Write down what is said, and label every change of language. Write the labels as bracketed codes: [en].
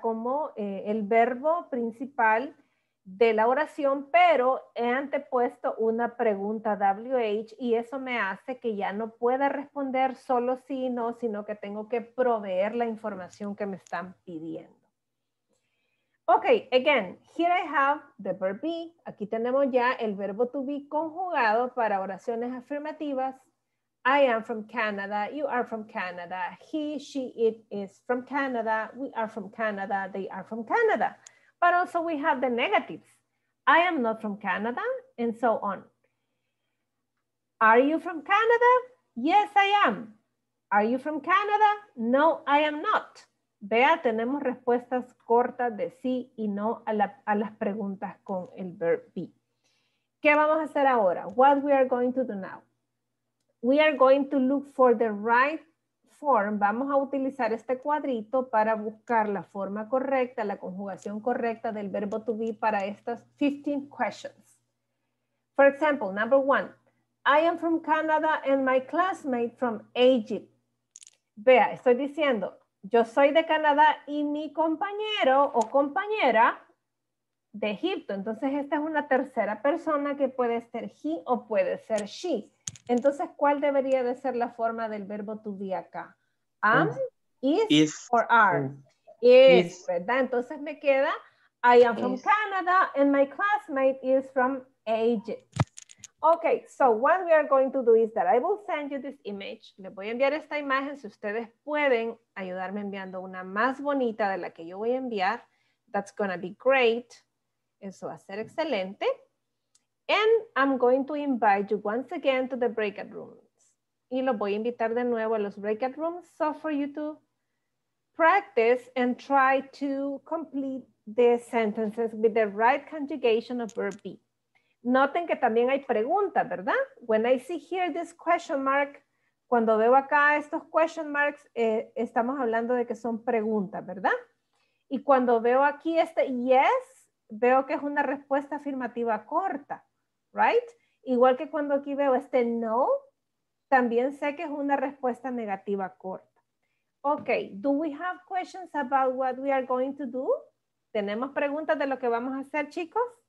[es] Como el verbo principal de la oración, pero he antepuesto una pregunta WH y eso me hace que ya no pueda responder solo sí y no, sino que tengo que proveer la información que me están pidiendo. [en] Ok, again, here I have the verb be. [es] Aquí tenemos ya el verbo to be conjugado para oraciones afirmativas. [en] I am from Canada, you are from Canada, he, she, it is from Canada, we are from Canada, they are from Canada. But also we have the negatives. I am not from Canada, and so on. Are you from Canada? Yes, I am. Are you from Canada? No, I am not. [es] Vea, tenemos respuestas cortas de sí y no a, a las preguntas con el verb be. ¿Qué vamos a hacer ahora? [en] What we are going to do now? We are going to look for the right form. [es] Vamos a utilizar este cuadrito para buscar la forma correcta, la conjugación correcta del verbo to be para estas 15 questions. [en] For example, number one, I am from Canada and my classmate from Egypt. [es] Vea, estoy diciendo, yo soy de Canadá y mi compañero o compañera de Egipto. Entonces, esta es una tercera persona que puede ser he o puede ser she. Entonces, ¿cuál debería de ser la forma del verbo to be acá? [en] Am, is or are? Is, ¿verdad? [es] Entonces me queda, [en] I am from Canada and my classmate is from Egypt. Ok, so what we are going to do is that I will send you this image. [es] Les voy a enviar esta imagen. Si ustedes pueden ayudarme enviando una más bonita de la que yo voy a enviar, [en] that's going to be great. [es] Eso va a ser excelente. [en] And I'm going to invite you once again to the breakout rooms. [es] Y lo voy a invitar de nuevo a los breakout rooms. [en] So for you to practice and try to complete the sentences with the right conjugation of verb be. [es] Noten que también hay preguntas, ¿verdad? [en] When I see here this question mark, [es] cuando veo acá estos question marks, estamos hablando de que son preguntas, ¿verdad? Y cuando veo aquí este yes, veo que es una respuesta afirmativa corta. Right? Igual que cuando aquí veo este no, también sé que es una respuesta negativa corta. [en] Ok, do we have questions about what we are going to do? [es] ¿Tenemos preguntas de lo que vamos a hacer, chicos?